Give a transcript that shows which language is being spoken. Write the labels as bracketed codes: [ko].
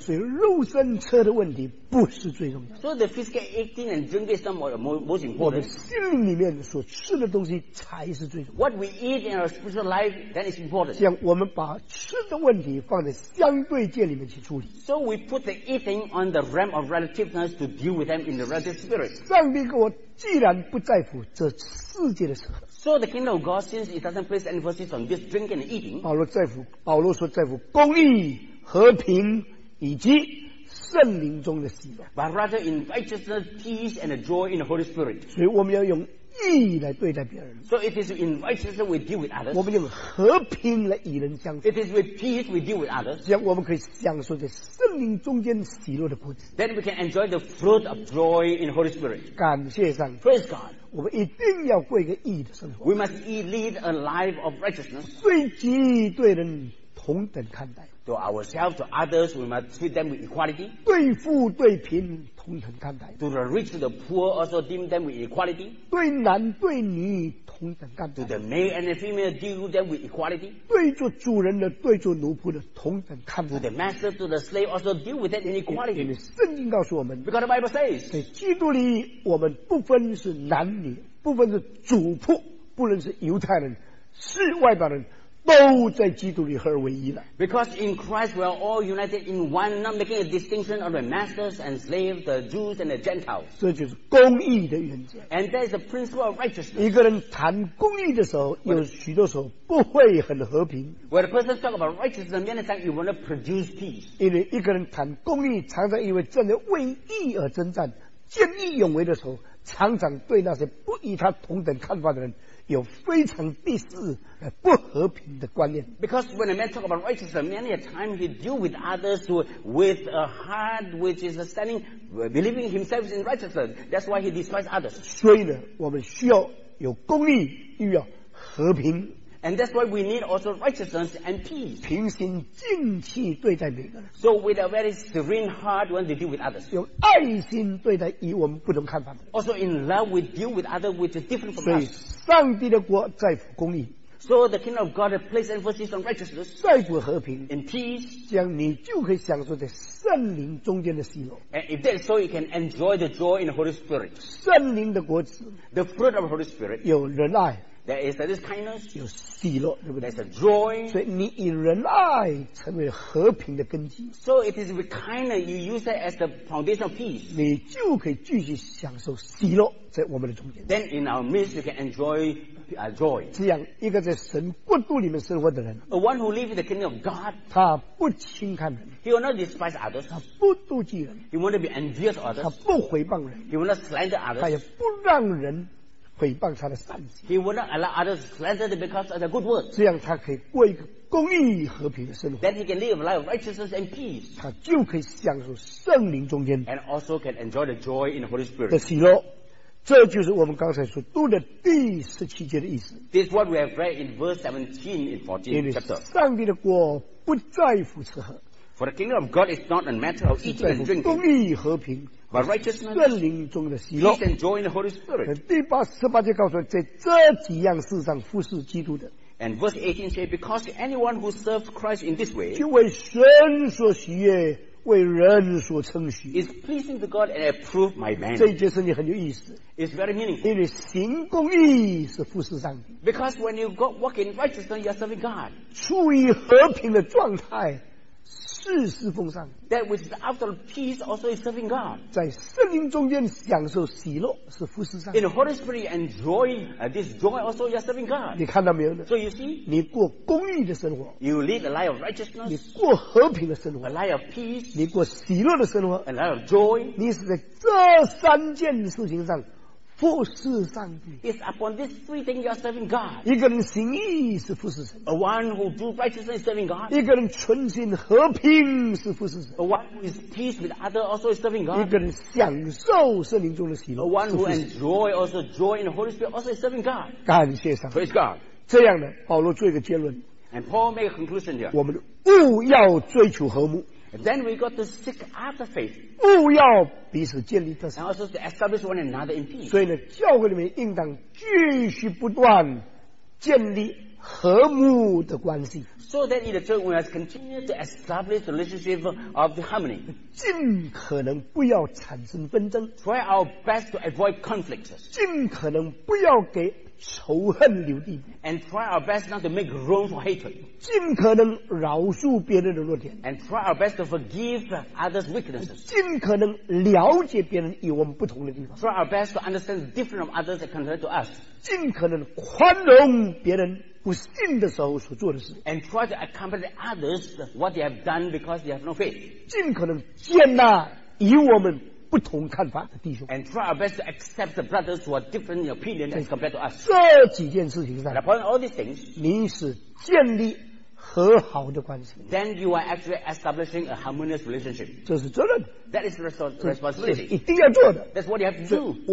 [zh] 所以肉身吃的问题不是最重要的 [en] so the physical eating and drinking is not more most important [zh] 我们心里面所吃的东西才是最重要 [en] what we eat in our spiritual life that is important [zh] 像我们把吃的问题放在相对界里面去处理 [en] so we put the eating on the realm of relativeness to deal with them in the relative spirit [zh] 上帝给我既然不在乎这世界的吃喝 [en] So the kingdom of God since it doesn't place emphasis on this drinking and eating [zh] 保罗说在乎公义和平以及圣灵中的喜乐 [en] But rather in righteousness, peace and joy in the Holy Spirit [zh] 所以我们要用义来对待别人 [en] So it is in righteousness we deal with others [zh] 我们用和平来与人相处 [en] It is with peace we deal with others [zh] 这样我们可以享受在圣灵中间喜乐的果子 [en] Then we can enjoy the fruit of joy in the Holy Spirit [zh] 感谢上帝 [en] Praise God [zh] 我们一定要过一个义的生活 [en] We must lead a life of righteousness [zh] 随即对人同等看待 [en] To ourselves, to others, we must treat them with equality [zh] 对富对贫同等看待 [en] To the rich, to the poor, also deem them with equality [zh] 对男对女同等看待 [en] To the male and the female, deal them with equality [zh] 对做主人的对做奴仆的同等看待 [en] To the master, to the slave, also deal with that in equality [zh] 因为圣经告诉我们 [en] Because the Bible says [zh] 在基督里我们不分是男女不分是主仆不论是犹太人是外邦人都在基督里合而为一了。 [en] Because in Christ we are all united in one, not making a distinction of the masters and slaves, the Jews and the Gentiles. [zh] 这就是公义的原则。 [en] And that is the principle of righteousness. [zh] 一个人谈公义的时候，有许多时候不会很和平。 [en] When a person talks about righteousness, many times you want to produce peace. [zh] 因为一个人谈公义，常常因为真的为义而征战，见义勇为的时候，常常对那些不与他同等看法的人。有非常第四不和平的观念。 [en] Because when a man talks about righteousness, many a time he deals with others with a heart which is standing, believing himself in righteousness. That's why he despises others. [zh] 所以呢，我们需要有公义，又要和平。 [en] And that's why we need also righteousness and peace. [zh] 平心静气对待每个人。 [en] So with a very serene heart, when we deal with others. [zh] 用爱心对待与我们不同看法的。 [en] Also in love, we deal with others which is different from us. [zh] 上帝的国在乎公义。 [en] So the kingdom of God places emphasis on righteousness. [zh] 在乎和平。 [en] In peace. [zh] 这样你就可以享受在圣灵中间的喜乐。 [en] And if that's so, you can enjoy the joy in the Holy Spirit. [zh] 圣灵的果子。 [en] The fruit of the Holy Spirit. [zh] 有仁爱。 [en] There is kindness. [zh] 有喜乐，对不对？ [en] There's a joy. [zh] 所以你以仁爱成为和平的根基。 [en] So it is with kindness you use it as the foundation of peace. [zh] 你就可以继续享受喜乐在我们的中间。 [en] Then in our midst you can enjoy joy. [zh] 这样一个在神国度里面生活的人 [en] ，A one who lives in the kingdom of God. [zh] 他不轻看人。 [en] He will not despise others. [zh] 他不妒忌人。 [en] He won't be envious of others. [zh] 他不毁谤人。 [en] He will not slander others. [zh] 他也不让人。毁谤他的善行。 [en] He will not allow others slander because of the good word. [zh] 这样他可以过一个公义和平的生活。 [en] Then he can live a life of righteousness and peace. [zh] 他就可以享受圣灵中间。 [en] And also can enjoy the joy in the Holy Spirit. [zh] 的喜乐，这就是我们刚才所读的第十七节的意思。 [en] This is what we have read in verse 17 in 14 chapter. [zh] 上帝的国不在乎吃喝。 [en] For the kingdom of God is not a matter of eating and drinking. [zh] 公义和平。 [en] But righteousness, [zh] 圣灵中的喜乐 [en] and joy in the Holy Spirit. [zh] 第八十八节告诉在这几样事上服侍基督的。 [en] And verse 18 says, because anyone who serves Christ in this way, [zh] 就为神所喜悦，为人所称许。 [en] Is pleasing to God and approved by man. [zh] 这一节圣经很有意思。 [en] It's very meaningful. [zh] 因为行公义是服侍上帝。 [en] Because when you walk in righteousness, you are serving God. [zh] 处于和平的状态。是侍奉上帝。 [en] That which is after peace also is serving God. [zh] 在圣灵中间享受喜乐是服侍上帝。 [en] In the Holy Spirit enjoy this joy also you are serving God. [zh] 你看到没有呢 [en] ？So you see, [zh] 你过公义的生活。 [en] You lead a life of righteousness. [zh] 你过和平的生活。 [en] A life of peace. [zh] 你过喜乐的生活。 [en] A life of joy. [zh] 你是在这三件事情上服侍上帝。 [en] It's upon these three things you are serving God. [zh] 一个人行义是服侍神。 [en] A one who do righteousness is serving God. [zh] 一个人存心和平是服侍神。 [en] A one who is peace with other also is serving God. [zh] 一个人享受圣灵中的喜乐。 [en] A one who enjoy also joy in the Holy Spirit also is serving God. [zh] 感谢上帝。 [en] Praise God. [zh] 这样呢，保罗做一个结论。 [en] And Paul make a conclusion here. [zh] 我们务要追求和睦。 [en] And then we got to seek after faith. [zh] 务要彼此建立得 [en] 胜。And also to establish one another in peace. [zh] 所以呢，教会里面应当继续不断建立和睦的关系。 [en] So that in the church we must continue to establish the relationship of the harmony. [zh] 尽可能不要产生纷争。 [en] Try our best to avoid conflicts. [zh] 尽可能不要给仇恨留地。 [en] And try our best not to make room for hatred. [zh] 尽可能饶恕别人的弱点。 [en] And try our best to forgive others' weaknesses. [zh] 尽可能了解别人与我们不同的地方。 [en] Try our best to understand the difference of others that compared to us. [zh] 尽可能宽容别人不信的时候所做的事。 [en] And try to accommodate others what they have done because they have no faith. [zh] 尽可能接纳与我们不同看法的弟兄。 [en] And try our best to accept the brothers who are different in opinion as compared to us. [zh] 这几件事情上。 [en] And upon all these things, [zh] 你是建立和好的关系。 [en] Then you are actually establishing a harmonious relationship. [zh] 这是责任。 [en] That is responsibility. [zh] 一定要做的。 [en] That's what you have to do.